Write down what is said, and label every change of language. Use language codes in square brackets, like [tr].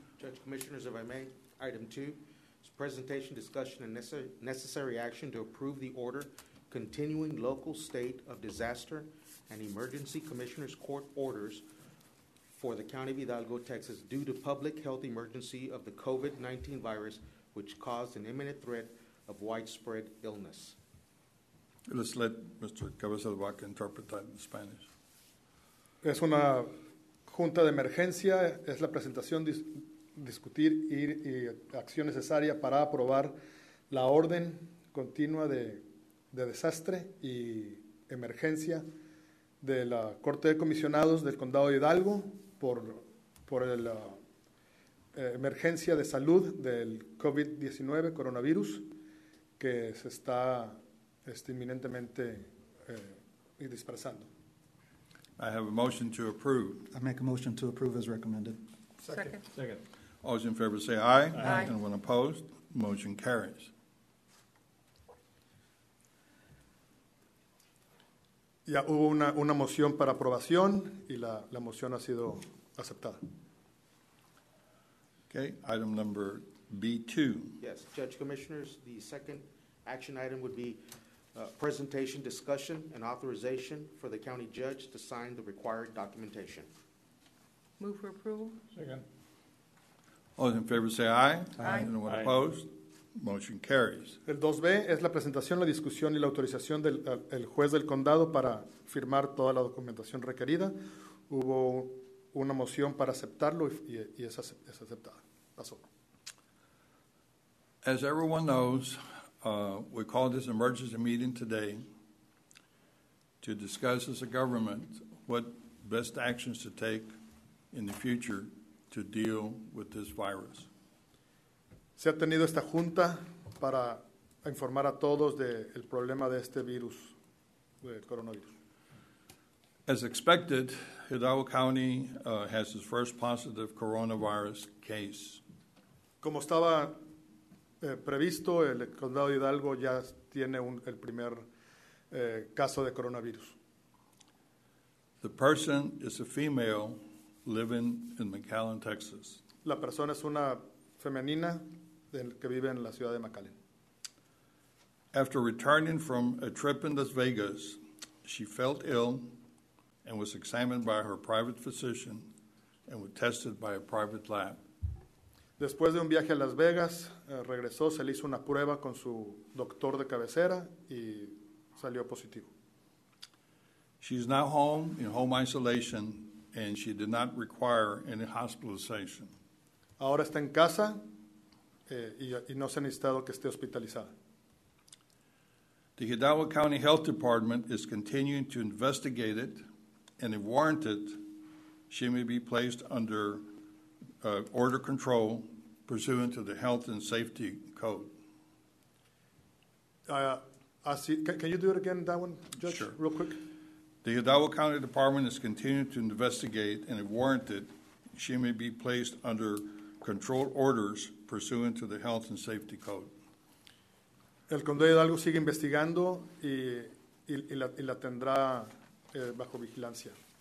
[en] Judge, Commissioners, if I may, item two is presentation, discussion, and necessary action to approve the order continuing local state of disaster and emergency commissioner's court orders for the County of Hidalgo, Texas, due to public health emergency of the COVID-19 virus, which caused an imminent threat of widespread illness. Let's let Mr. Cabeza de Vaca interpret that in Spanish. [es] Es una junta de emergencia, es la presentación de... discutir y acción necesaria para aprobar la orden continua de desastre y emergencia de la Corte de Comisionados del Condado de Hidalgo por la emergencia de salud del COVID-19 coronavirus que se está inminentemente dispersando. [en] I have a motion to approve. I make a motion to approve as recommended. Second. All those in favor say aye. Aye. Anyone opposed? Motion carries. [es] Ya hubo una moción para aprobación y la moción ha sido aceptada. [en] Okay, item number B2. Yes, Judge Commissioners, the second action item would be Presentation, discussion, and authorization for the county judge to sign the required documentation. Move for approval. Second. All in favor say aye. Aye. Anyone opposed? Motion carries. [es] El 2B es la presentación, la discusión y la autorización del el juez del condado para firmar toda la documentación requerida. Hubo una moción para aceptarlo y es aceptada. Pasó. [en] As everyone knows, we called this emergency meeting today to discuss as a government what best actions to take in the future to deal with this virus. [es] Se ha tenido esta junta para informar a todos de el problema de este virus, del coronavirus. [en] As expected, Hidalgo County has its first positive coronavirus case. [es] Como estaba previsto, el condado de Hidalgo ya tiene el primer caso de coronavirus. [en] The person is a female living in McAllen, Texas. [es] La persona es una femenina que vive en la ciudad de McAllen. [en] After returning from a trip in Las Vegas, she felt ill and was examined by her private physician and was tested by a private lab. [es] Después de un viaje a Las Vegas, regresó, se le hizo una prueba con su doctor de cabecera y salió positivo. [en] She is now home in home isolation and she did not require any hospitalization. [es] Ahora está en casa y no se ha necesitado que esté hospitalizada. [en] The Hidalgo County Health Department is continuing to investigate it, and if warranted, she may be placed under order control pursuant to the health and safety code. Can you do it again, that one, Judge? Sure. Real quick. The Hidalgo County Department is continuing to investigate, and if warranted, she may be placed under control orders pursuant to the health and safety code. [es] El condado de Hidalgo sigue investigando y la tendrá bajo vigilancia.